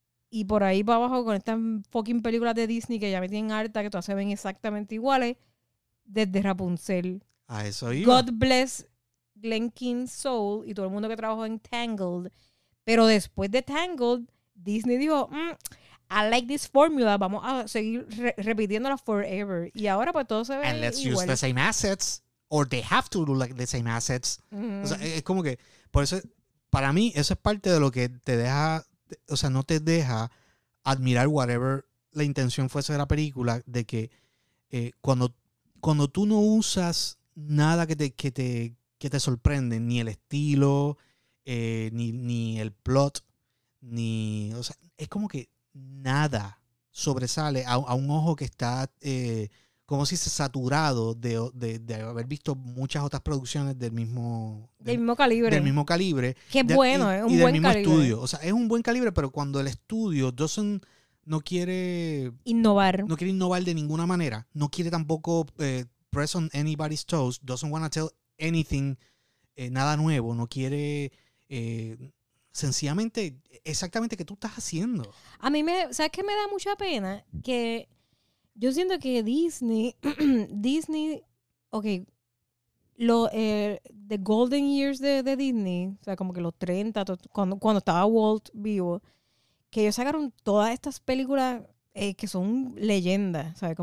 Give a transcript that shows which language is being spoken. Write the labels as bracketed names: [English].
[Spanish] Y por ahí para abajo con estas fucking películas de Disney que ya me tienen harta, que todas se ven exactamente iguales, desde Rapunzel. A eso iba. [English] God bless Glen Keane's soul [Spanish] y todo el mundo que trabajó en Tangled. Pero después de Tangled, Disney dijo, [English] I like this formula, [Spanish] vamos a seguir repitiéndola forever. Y ahora pues todo se ve igual. [English] And let's use the same assets, or they have to do like the same assets. [Spanish] Mm-hmm. O sea, es como que, por eso, para mí, eso es parte de lo que te deja... O sea, no te deja admirar whatever la intención fuese de la película, de que cuando tú no usas nada que te sorprende, ni el estilo, ni el plot, ni... O sea, es como que nada sobresale a un ojo que está, como si se saturado de haber visto muchas otras producciones del mismo calibre. Qué bueno, es un buen calibre. Y del mismo calibre. Estudio. O sea, es un buen calibre, pero cuando el estudio no quiere... Innovar. No quiere innovar de ninguna manera. No quiere tampoco [English] press on anybody's toes. Doesn't want to tell anything, [Spanish] nada nuevo. No quiere sencillamente exactamente qué tú estás haciendo. A mí ¿sabes qué me da mucha pena? Que yo siento que Disney, ok, [English] the golden years [Spanish] de Disney, o sea, como que los 30, cuando estaba Walt vivo, que ellos sacaron todas estas películas que son leyendas, ¿sabes?